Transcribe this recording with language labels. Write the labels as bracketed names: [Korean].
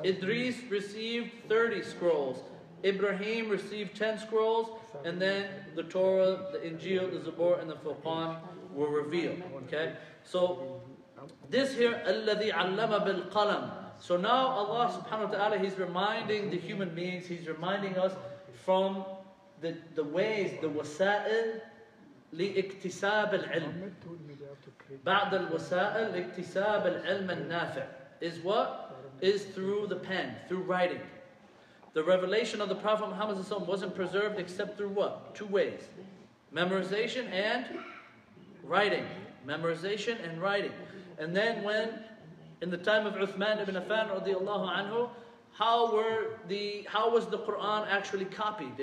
[English] Idris received 30 scrolls. Ibrahim received 10 scrolls, and then the Torah, the Injil, the Zabur, and the Furqan were revealed. Okay, so this here, [Arabic] الَّذِي عَلَّمَ بِالْقَلَمِ. [English] So now Allah subhanahu wa ta'ala, He's reminding the human beings, He's reminding us from the ways, the wasa'il [Arabic] لِإِكْتِسَابِ الْعِلْمِ. بَعْدَ الْوَسَائِلِ لِإِكْتِسَابِ الْعِلْمَ النَّافِعِ [English] is what? Is through the pen, through writing. The revelation of the Prophet Muhammad wasn't preserved except through what? Two ways. Memorization and writing. Memorization and writing. And then when, in the time of Uthman ibn Affan radiallahu anhu, how was the Quran actually copied?